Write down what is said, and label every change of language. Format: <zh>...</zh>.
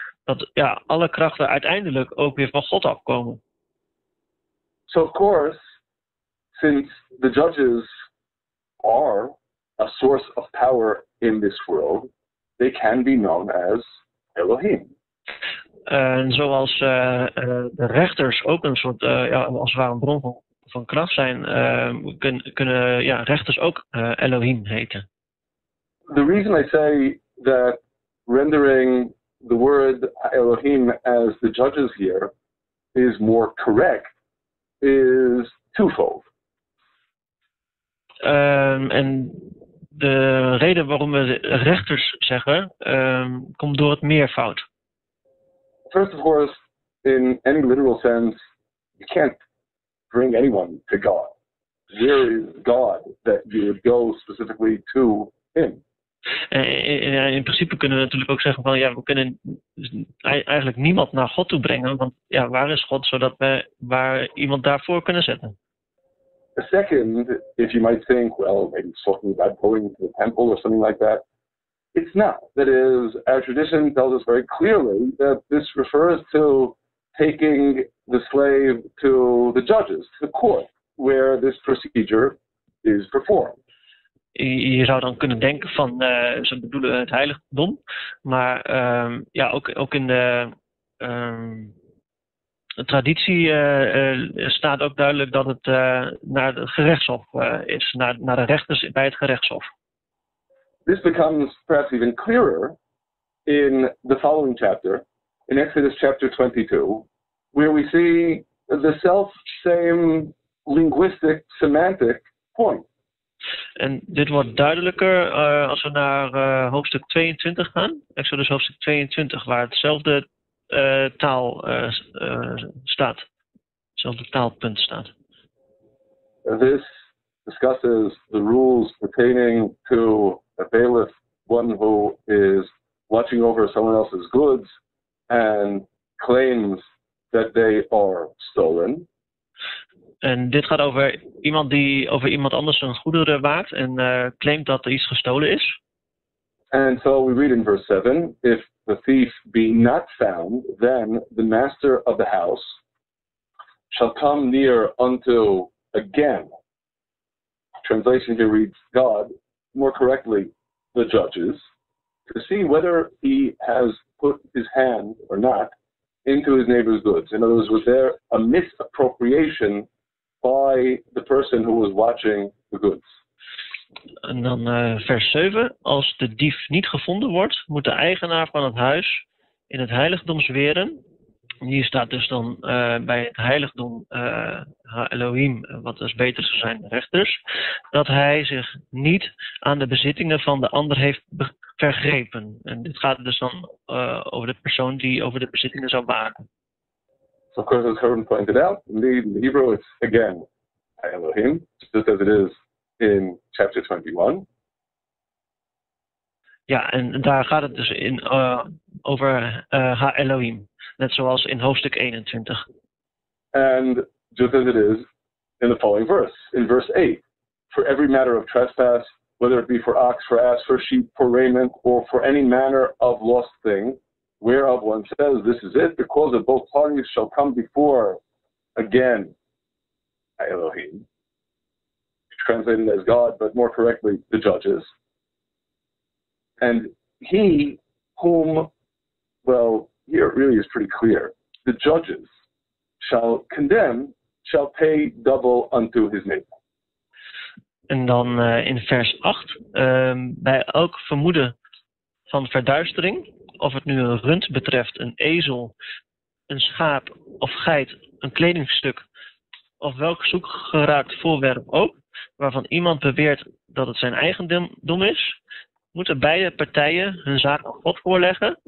<nl>Dat ja, alle krachten uiteindelijk ook weer van God afkomen.</nl> <en>So of course, since the judges are a source of power in this world, they can be known as Elohim.</en> <nl>En zoals de rechters ook een soort, als het ware een bron van kracht zijn, kunnen rechters ook Elohim heten.</nl> <en>The reason I say that rendering the word Elohim as the judges here is more correct is twofold.</en> <nl>En de reden waarom we rechters zeggen, komt door het meervoud.</nl> <en>First of course, in any literal sense, you can't bring anyone to God. There is God that you would go specifically to him.</en> <nl>In principe kunnen we natuurlijk ook zeggen van ja, we kunnen eigenlijk niemand naar God toe brengen, want ja, waar is God zodat we waar iemand daarvoor kunnen zetten?</nl> <en>A second, if you might think, well, maybe it's talking about going to the temple or something like that, it's not. That is, our tradition tells us very clearly that this refers to taking the slave to the judges, to the court, where this procedure is performed.</en> <nl>Je zou dan kunnen denken van, ze bedoelen het heiligdom, maar ook in de traditie staat ook duidelijk dat het naar het gerechtshof is, naar de rechters bij het gerechtshof.</nl> <en>This becomes perhaps even clearer in the following chapter, in Exodus chapter 22, where we see the self-same linguistic semantic point.</en> <nl>En dit wordt duidelijker als we naar hoofdstuk 22 gaan. Exodus hoofdstuk 22, waar hetzelfde taal staat. Hetzelfde taalpunt staat.</nl> <en>This discusses the rules pertaining to a bailiff, one who is watching over someone else's goods, and claims that they are stolen.</en> <nl>En dit gaat over iemand die over iemand anders een goederen waakt en claimt dat er iets gestolen is.</nl> <en>And so we read in verse 7, if the thief be not found, then the master of the house shall come near unto again. Translation here reads God, more correctly, the judges, to see whether he has put his hand or not into his neighbor's goods. In other words, was there a misappropriation by the person who was watching the goods?</en> <nl>En dan vers 7. Als de dief niet gevonden wordt, moet de eigenaar van het huis in het heiligdom zweren. Hier staat dus dan bij het heiligdom Elohim, wat dus beter zou zijn, de rechters, dat hij zich niet aan de bezittingen van de ander heeft vergrepen. En dit gaat dus dan over de persoon die over de bezittingen zou waken.</nl> <en>So of course, as Herman pointed out, indeed in Hebrew it's again Elohim, just as it is in chapter 21.</en> <nl>Ja, en daar gaat het dus in over Elohim, net zoals in hoofdstuk 21.</nl> <en>And just as it is in the following verse, in verse 8. For every matter of trespass, whether it be for ox, for ass, for sheep, for raiment, or for any manner of lost thing, whereof one says, this is it, the cause of both parties shall come before again Elohim. Translated as God, but more correctly, the judges. And he whom, well, here it really is pretty clear, the judges shall condemn, shall pay double unto his neighbor.</en> <nl>En dan in vers 8, bij elk vermoeden van verduistering, of het nu een rund betreft, een ezel, een schaap of geit, een kledingstuk, of welk zoekgeraakt voorwerp ook, waarvan iemand beweert dat het zijn eigendom is, moeten beide partijen hun zaak aan God voorleggen.</nl>